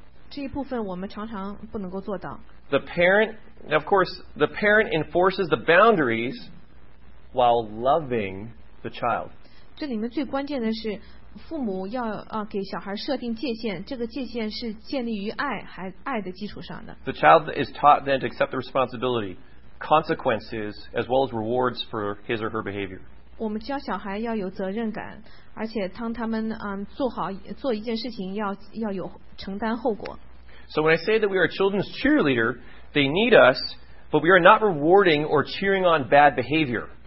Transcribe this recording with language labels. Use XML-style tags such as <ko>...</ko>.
<zh>这一部分我们常常不能够做到。</zh> <en>The parent, of course, the parent enforces the boundaries while loving the child.</en> <zh>这里面最关键的是父母要给小孩设定界限，这个界限是建立于爱的基础上的。</zh> <en>The child is taught then to accept the responsibility, consequences, as well as rewards for his or her behavior.</en> <zh>我们教小孩要有责任感，而且当他们做一件事情要有承担后果。</zh> <en>So when I say that we are children's cheerleader, they need us, but we are not rewarding or cheering on bad behavior.</en>